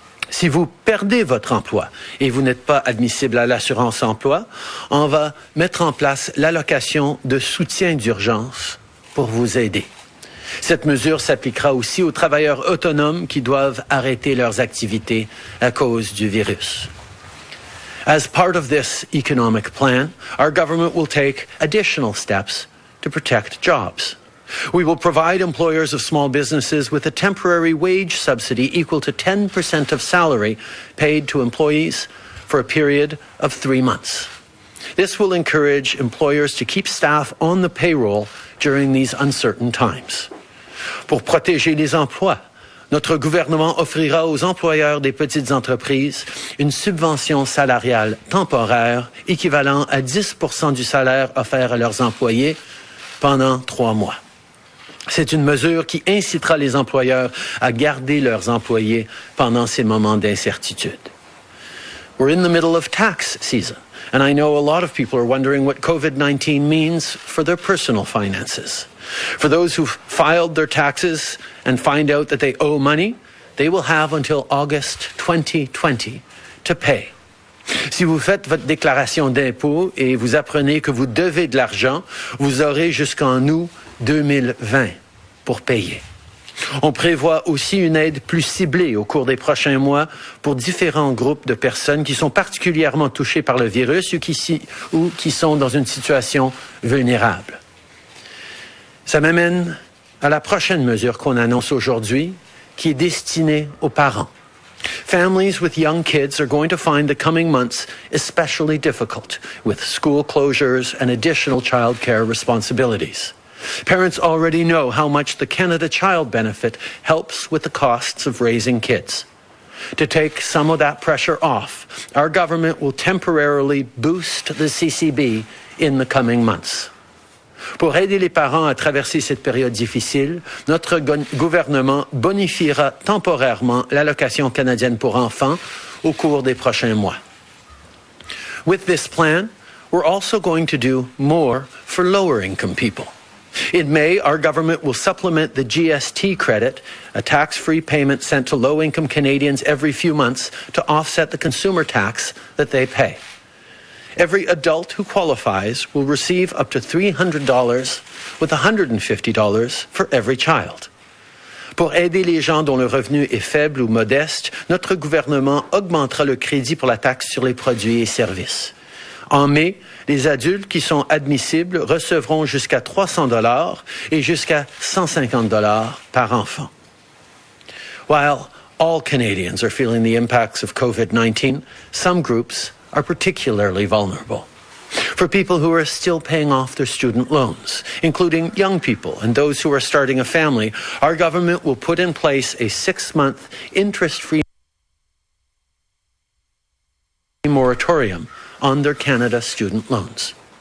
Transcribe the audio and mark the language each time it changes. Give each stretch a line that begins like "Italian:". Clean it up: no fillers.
French: Si vous perdez votre emploi et vous n'êtes pas admissible à l'assurance emploi, on va mettre en place l'allocation de soutien d'urgence pour vous aider. Cette mesure s'appliquera aussi aux travailleurs autonomes qui doivent arrêter leurs activités à cause du virus.
English: As part of this economic plan, our government will take additional steps to protect jobs. We will provide employers of small businesses with a temporary wage subsidy equal to 10% of salary paid to employees for a period of 3 months. This will encourage employers to keep staff on the payroll during these uncertain times.
French: Pour protéger les emplois, notre gouvernement offrira aux employeurs des petites entreprises une subvention salariale temporaire équivalent à 10% du salaire offert à leurs employés pendant 3 mois. C'est une mesure qui incitera les employeurs à garder leurs employés pendant ces moments d'incertitude.
English: We're in the middle of tax season, and I know a lot of people are wondering what COVID-19 means for their personal finances. For those who've filed their taxes and find out that they owe money, they will have until August 2020 to pay.
French: Si vous faites votre déclaration d'impôt et vous apprenez que vous devez de l'argent, vous aurez jusqu'en août 2020 pour payer. On prévoit aussi une aide plus ciblée au cours des prochains mois pour différents groupes de personnes qui sont particulièrement touchées par le virus ou qui sont dans une situation vulnérable. Ça m'amène à la prochaine mesure qu'on annonce aujourd'hui, qui est destinée aux parents.
English: Families with young kids are going to find the coming months especially difficult with school closures and additional child care responsibilities. Parents already know how much the Canada Child Benefit helps with the costs of raising kids. To take some of that pressure off, our government will temporarily boost the CCB in the coming months.
French: Pour aider les parents à traverser cette période difficile, notre gouvernement bonifiera temporairement l'allocation canadienne pour enfants au cours des prochains mois.
English: With this plan, we're also going to do more for lower-income people. In May, our government will supplement the GST credit, a tax-free payment sent to low-income Canadians every few months to offset the consumer tax that they pay. Every adult who qualifies will receive up to $300, with $150 for every child.
French: Pour aider les gens dont le revenu est faible ou modeste, notre gouvernement augmentera le crédit pour la taxe sur les produits et services. En mai, les adultes qui sont admissibles recevront jusqu'à $300 et jusqu'à $150 par enfant.
English: While all Canadians are feeling the impacts of COVID-19, some groups are particularly vulnerable. For people who are still paying off their student loans, including young people and those who are starting a family, our government will put in place a 6-month interest-free moratorium on their Canada student loans.